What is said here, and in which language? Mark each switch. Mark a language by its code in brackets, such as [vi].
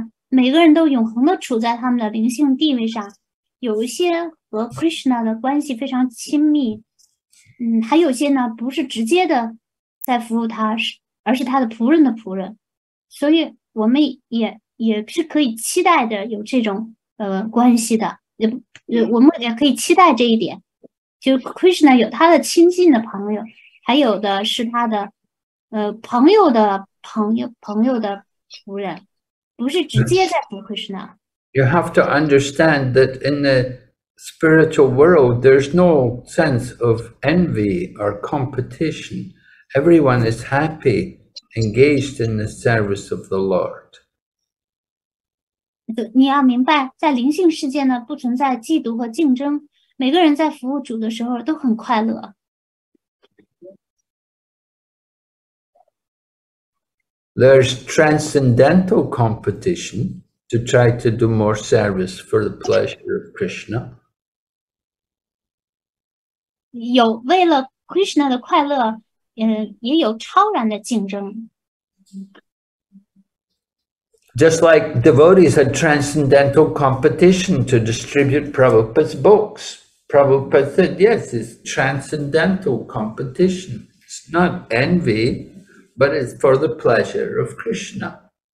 [zh] 每个人都永恒地处在他们的灵性地位上，有一些和 Krishna 的关系非常亲密，还有些呢不是直接的在服务他，而是他的仆人的仆人，所以我们也是可以期待的有这种关系的，我们也可以期待这一点，就 Krishna 有他的亲近的朋友，还有的是他的朋友的朋友的仆人。 [en] You have to understand that in the spiritual world, there's no sense of envy or competition. Everyone is happy, engaged in the service of the Lord. [zh] 你要明白，在灵性世界呢，不存在嫉妒和竞争。每个人在服务主的时候都很快乐。 [en] There's transcendental competition to try to do more service for the pleasure of Krishna. [zh] 有为了 Krishna 的快乐，也有超然的竞争。 [en] Just like devotees had transcendental competition to distribute Prabhupada's books. Prabhupada said, yes, it's transcendental competition. It's not envy. But it's for the pleasure of Krishna.